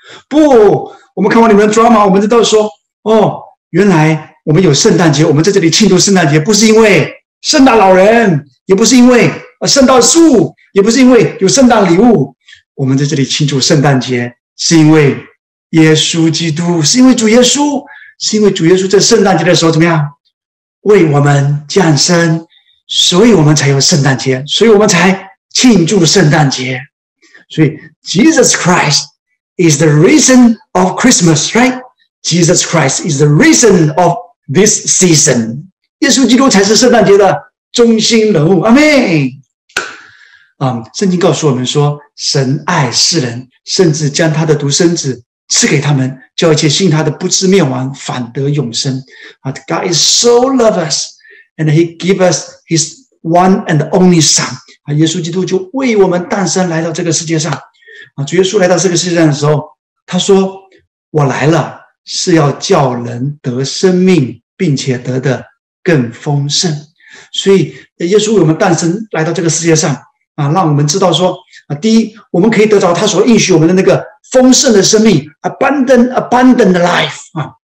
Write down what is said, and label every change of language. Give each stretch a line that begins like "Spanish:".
Chinese: 不，我们看完你们的 drama， 我们知道说，哦，原来我们有圣诞节，我们在这里庆祝圣诞节，不是因为圣诞老人，也不是因为圣诞树，也不是因为有圣诞礼物，我们在这里庆祝圣诞节是因为耶稣基督，是因为主耶稣，是因为主耶稣在圣诞节的时候怎么样为我们降生，所以我们才有圣诞节，所以我们才庆祝圣诞节。所以
English: Jesus Christ is the reason of Christmas, right? Jesus Christ is the reason of this season.
Chinese: 耶稣基督才是圣诞节的中心人物，阿们。圣经告诉我们说，神爱世人，甚至将他的独生子赐给他们，叫一切信他的不至灭亡，反得永生。
English: God is so love us, and he give us his one and only son.
Chinese: 耶稣基督就为我们诞生来到这个世界上。主耶稣来到这个世界上的时候，他说，我来了，是要叫人得生命，并且得的更丰盛。所以耶稣为我们诞生来到这个世界上啊，让我们知道说啊，第一，我们可以得到他所应许我们的那个丰盛的生命
English: abundant life
Chinese: 啊。